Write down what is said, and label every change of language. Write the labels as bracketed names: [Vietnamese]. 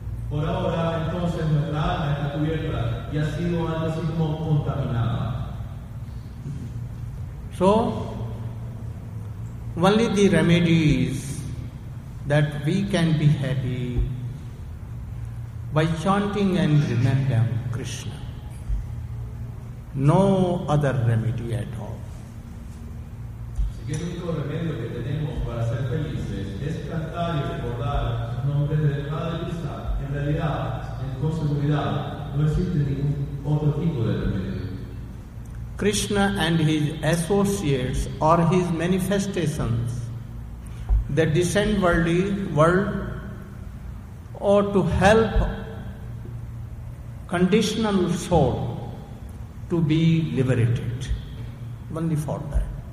[Spanish] Por ahora, entonces, nuestra alma está cubierta y ha sido algo así como contaminada. [English] So, only the remedy is that we can be happy by chanting and remembering Krishna. No other remedy at all. [Spanish] Así que el único remedio que tenemos para ser felices es cantar y recordar los nombres de Madre Lisa. En realidad, en conseguridad, no existe ningún otro tipo de remedio. [English] Krishna and his associates are his manifestations. They descend world or to help conditional soul to be liberated. Only for that.